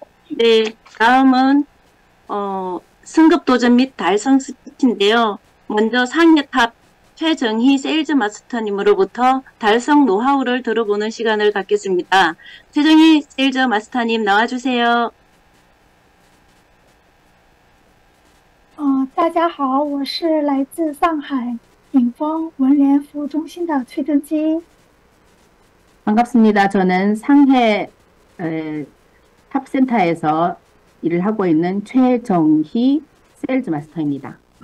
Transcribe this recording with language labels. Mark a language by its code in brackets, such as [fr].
[ko] 네, 다음은 승급 도전 및 달성 스피치인데요. 먼저 상여탑 최정희 세일즈 마스터님으로부터 달성 노하우를 들어보는 시간을 갖겠습니다. 최정희 세일즈 마스터님 나와주세요. [zh] 大家好，我是来自上海顶峰文联服务中心的崔正基。 [ko] 반갑습니다. 저는 상해 탑센터에서 일을 하고 있는 최정희 세일즈 마스터입니다.